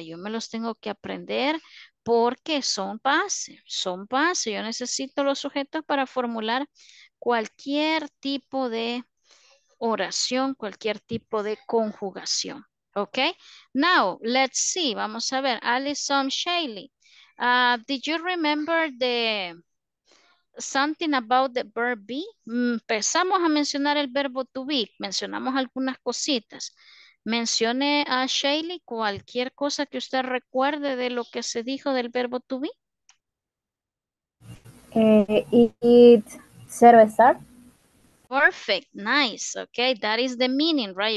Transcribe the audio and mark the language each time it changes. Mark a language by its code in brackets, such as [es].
[es] Yo me los tengo que aprender porque son base. Yo necesito los sujetos para formular cualquier tipo de oración, cualquier tipo de conjugación, okay? [en] Now, let's see, [es] vamos a ver, [en] Alison Shaley. Did you remember the something about the verb be? [es] Empezamos a mencionar el verbo to be. Mencionamos algunas cositas. Mencione a Shaley cualquier cosa que usted recuerde de lo que se dijo del verbo to be. [en] It zero start. Perfect. Nice. Okay. That is the meaning, right?